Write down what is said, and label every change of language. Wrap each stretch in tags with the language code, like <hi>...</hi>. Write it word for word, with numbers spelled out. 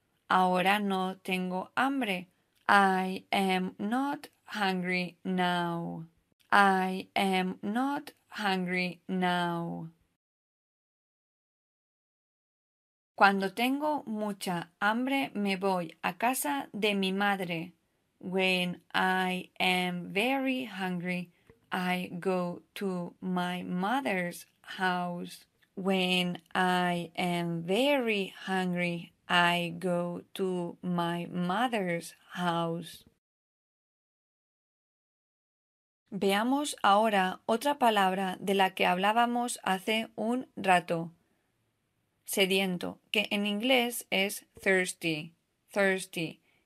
<es>Ahora no tengo hambre.</es> <en>I am not hungry now. I am not hungry now.</en> <es>Cuando tengo mucha hambre me voy a casa de mi madre.</es> <en>When I am very hungry, I go to my mother's house. When I am very hungry, I go to my mother's house.</en> <es>Veamos ahora otra palabra de la que hablábamos hace un rato. Sediento, que en inglés es thirsty. Thirsty.</es>